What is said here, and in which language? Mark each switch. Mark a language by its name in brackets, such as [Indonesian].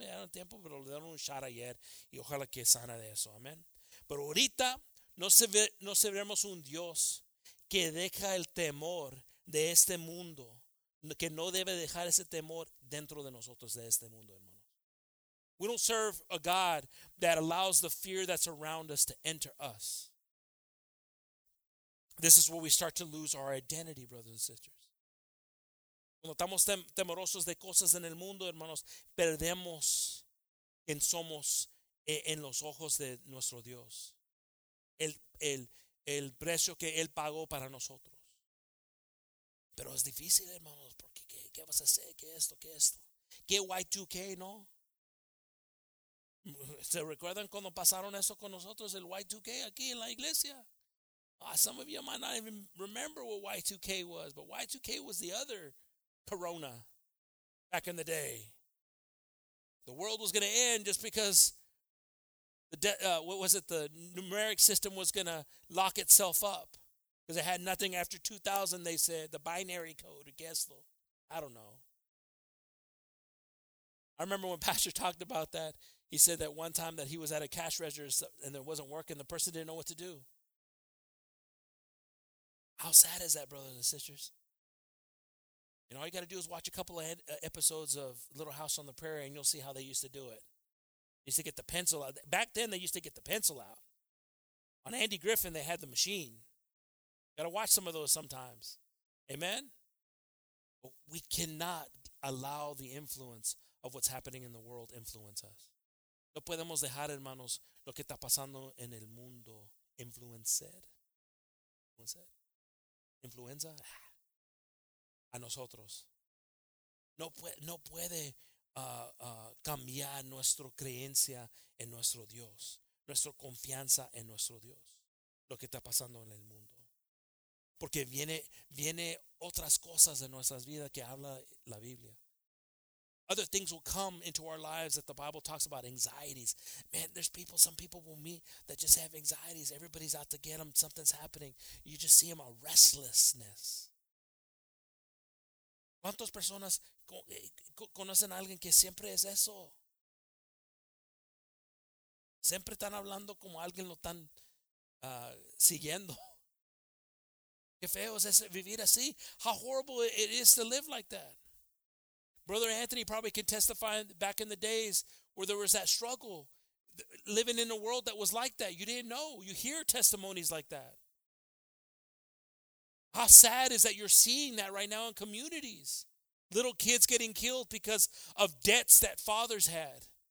[Spanish] Ya era tiempo, pero le dieron un shot ayer. Y ojalá que sana de eso. Amén. Pero ahorita no seremos un Dios que deja el temor de este mundo. Que no debe dejar ese temor dentro de nosotros de este mundo, hermano. [English] We don't serve a God that allows the fear that's around us to enter us. This is where we start to lose our identity, brothers and sisters. [Spanish] Cuando estamos temerosos de cosas en el mundo, hermanos, perdemos quien somos en los ojos de nuestro Dios. El precio que Él pagó para nosotros. Pero es difícil, hermanos, porque ¿qué vas a hacer? ¿Qué esto? ¿Qué esto? ¿Qué Y2K, no? ¿Se recuerdan cuando pasaron eso con nosotros, el Y2K aquí en la iglesia? [English] Oh, some of you might not even remember what Y2K was, but Y2K was the other corona back in the day. The world was going to end just because the numeric system was going to lock itself up because it had nothing after 2000, they said, the binary code, I guess. I don't know. I remember when Pastor talked about that. He said that one time that he was at a cash register and there wasn't work and the person didn't know what to do. How sad is that, brothers and sisters? You know, all you got to do is watch a couple of episodes of Little House on the Prairie and you'll see how they used to do it. They used to get the pencil out. Back then, they used to get the pencil out. On Andy Griffin, they had the machine. Got to watch some of those sometimes. Amen? But we cannot allow the influence of what's happening in the world influence us. [Spanish] No podemos dejar, hermanos, lo que está pasando en el mundo influenza a nosotros. No puede cambiar nuestra creencia en nuestro Dios, nuestra confianza en nuestro Dios, lo que está pasando en el mundo. Porque viene otras cosas de nuestras vidas que habla la Biblia. [English] Other things will come into our lives that the Bible talks about, anxieties. Man, there's people, some people will meet that just have anxieties. Everybody's out to get them. Something's happening. You just see them, a restlessness. [Spanish] ¿Cuántas personas conocen a alguien que siempre es eso? Siempre están hablando como alguien lo están siguiendo. ¿Qué feo es vivir así? [English] How horrible it is to live like that. Brother Anthony probably can testify back in the days where there was that struggle living in a world that was like that. You didn't know. You hear testimonies like that. How sad is that you're seeing that right now in communities? Little kids getting killed because of debts that fathers had.